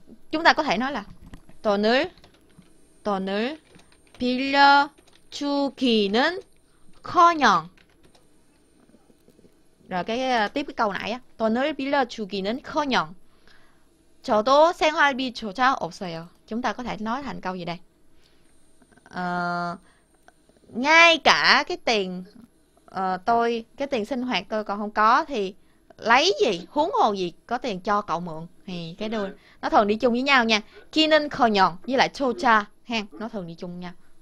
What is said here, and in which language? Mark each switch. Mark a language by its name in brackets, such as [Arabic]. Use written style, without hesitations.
[Vietnamese] Chúng ta có thể nói là [Korean] 돈을 빌려 주기는 커녕. [Vietnamese] Rồi cái tiếp cái câu nãy á, [Korean] 돈을 빌려 주기는 커녕. 저도 생활비 조차 없어요. [Vietnamese] Chúng ta có thể nói thành câu gì đây? Ngay cả cái tiền tôi cái tiền sinh hoạt tôi còn không có thì lấy gì, huống hồ gì có tiền cho cậu mượn. Thì cái đôi nó thường đi chung với nhau nha. Kinen khờ nhọn với lại chô cha hen, nó thường đi chung nha.